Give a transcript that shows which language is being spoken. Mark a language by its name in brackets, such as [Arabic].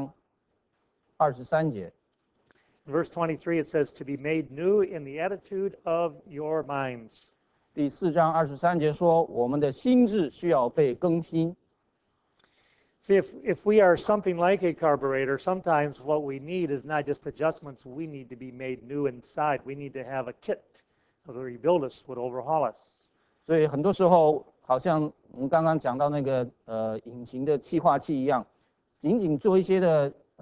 [Chinese] 如果你有圣经的话，翻开以弗所书，4章23节。 [English] Verse 23, it says, to be made new in the attitude of your minds. [Chinese] 第4章23节说，我们的心智需要被更新。 [English] See, if we are something like a carburetor, sometimes what we need is not just adjustments, we need to be made new inside. We need to have a kit that would rebuild us, would overhaul us. [Chinese] 所以很多时候，好像我们刚刚讲到那个引擎的气化器一样，仅仅做一些的。